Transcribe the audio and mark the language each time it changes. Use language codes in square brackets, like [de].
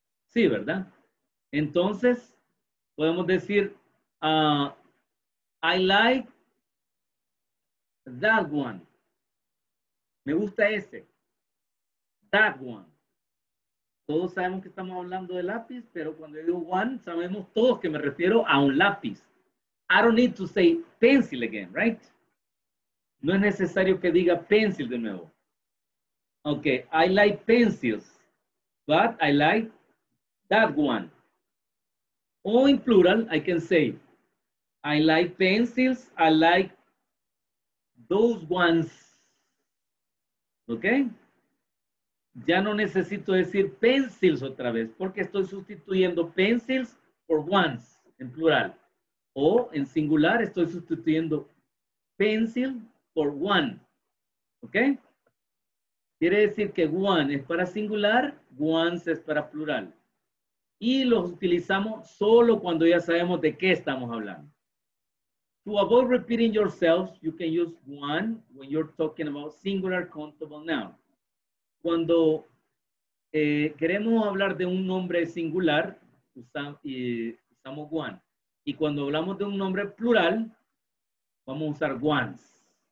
[es] Sí, ¿verdad? Entonces, podemos decir, [en] I like that one. [es] Me gusta ese. [en] That one. [es] Todos sabemos que estamos hablando de lápiz, pero cuando digo one, sabemos todos que me refiero a un lápiz. [en] I don't need to say pencil again, right? [es] No es necesario que diga pencil de nuevo. [en] Okay, I like pencils, but I like that one. O in plural, I can say, I like pencils, I like those ones. Okay? [es] Ya no necesito decir pencils otra vez, porque estoy sustituyendo pencils por ones en plural. O en singular, estoy sustituyendo pencil por one. Okay? Quiere decir que one es para singular, ones es para plural. Y los utilizamos solo cuando ya sabemos de qué estamos hablando. [en] To avoid repeating yourselves, you can use one when you're talking about singular countable noun. [es] Cuando queremos hablar de un nombre singular, usamos one. Y cuando hablamos de un nombre plural, vamos a usar ones.